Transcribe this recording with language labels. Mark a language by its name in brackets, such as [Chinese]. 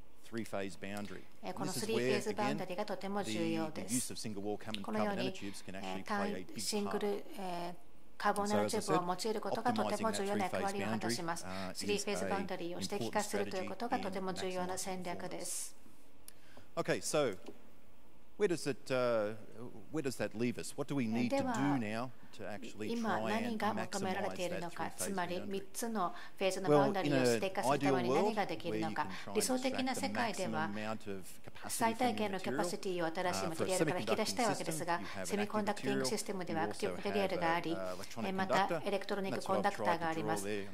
[Japanese] この3フェーズバウンダリーがとても重要です。このように単シングルカーボンナノチューブを用いることがとても重要な役割を果たします。 3フェーズバウンダリーを指摘化するということがとても重要な戦略です。 [English] Okay, so where does it, where does that leave us? What do we need to do now to actually try and maximize that three-phase boundary? [Japanese] つまり3つのフェーズのバウンダリーを指定化するために何ができるのか。理想的な世界では最大限のキャパシティを新しいマテリアルから引き出したいわけですが、セミコンダクティングシステムではアクティブマテリアルがあり、またエレクトロニックコンダクターがあります。